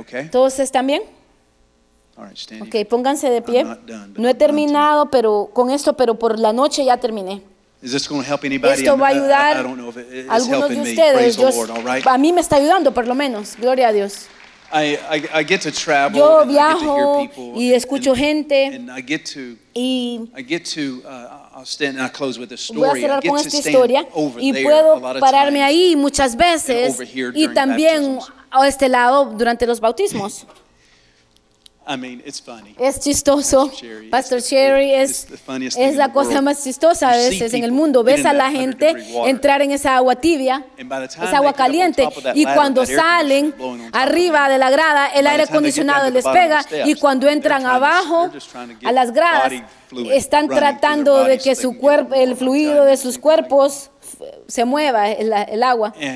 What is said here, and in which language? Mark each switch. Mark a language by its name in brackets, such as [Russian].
[Spanish] ¿Todos están bien? Ok, pónganse de pie. No he terminado pero con esto, pero por la noche ya terminé. Esto va a ayudar a algunos de ustedes. A mí me está ayudando, por lo menos. Gloria a Dios. [English] I get to travel. [Spanish] Yo viajo [English] and I get to hear people, [Spanish] y escucho gente. [English] And I get to I'll stand and I close with a story. [Spanish] Voy a cerrar con esta historia. [English] Over [Spanish] y puedo [English] there [Spanish] pararme ahí muchas veces. Y también a este lado durante los bautismos. [English] I mean, it's funny. [Spanish] Es chistoso. Pastor Sherry es la cosa más chistosa a veces en el mundo. Ves a la gente entrar en esa agua tibia, esa agua caliente, y cuando salen arriba de la grada, el aire acondicionado les pega, y cuando entran abajo a las gradas, están tratando de que su cuerpo, el fluido de sus cuerpos se mueva, el agua.